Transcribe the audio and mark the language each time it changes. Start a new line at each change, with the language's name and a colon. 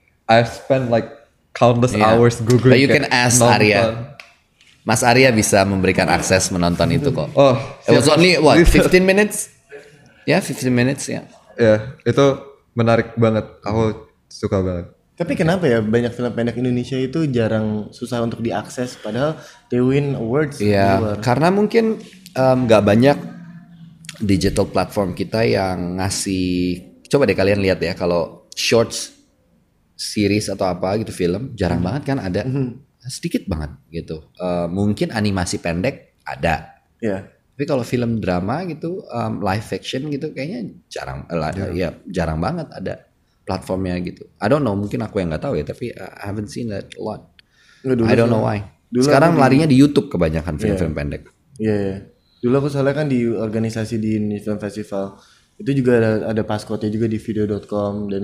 English: I spent like countless hours googling. But you can ask nonton. Arya.
Indonesian: Mas Arya bisa memberikan akses menonton itu kok.
English: Oh, it was only what 15 minutes? Yeah, 15 minutes. Yeah.
Indonesian: Yeah, itu menarik banget. Aku suka banget. Tapi kenapa ya banyak film pendek Indonesia itu jarang susah untuk diakses padahal
English: they win awards.
Indonesian: Karena mungkin gak banyak digital platform kita yang ngasih, coba deh kalian lihat ya, kalau shorts series atau apa gitu, film jarang banget kan ada, sedikit banget gitu. Mungkin animasi pendek ada, tapi kalau film drama gitu, live action gitu, kayaknya jarang, jarang banget ada platformnya gitu.
English: I don't know,
Indonesian: mungkin aku yang nggak tahu ya, tapi
English: I haven't seen that a lot.
Indonesian: Dulu,
English: I don't know why.
Indonesian: Sekarang larinya di YouTube kebanyakan film-film pendek. Dulu aku soalnya kan di organisasi di film festival itu juga ada passcode-nya juga di video.com dan